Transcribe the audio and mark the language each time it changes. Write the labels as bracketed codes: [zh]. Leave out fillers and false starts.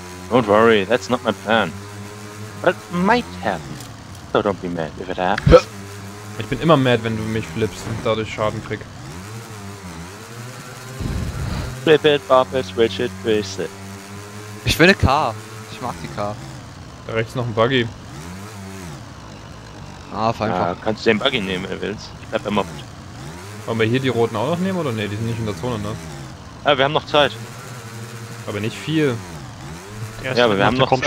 [en] Don't worry, that's not my plan. But it might happen. So don't be mad if it happens. [de] Ich bin immer mad, wenn du mich flippst und dadurch Schaden krieg. [en] Flip it, bop it, switch it, twist it. [de] Ich will eine Car. Ich mag die Car. Da rechts noch ein Buggy. Ah, fein. Ja, kannst du den Buggy nehmen, wenn du willst. Ich bleib immer. Wollen wir hier die roten auch noch nehmen oder ne? Die sind nicht in der Zone, ne? Ja, wir haben noch Zeit. Aber nicht viel. Ja, aber wir haben noch Zeit.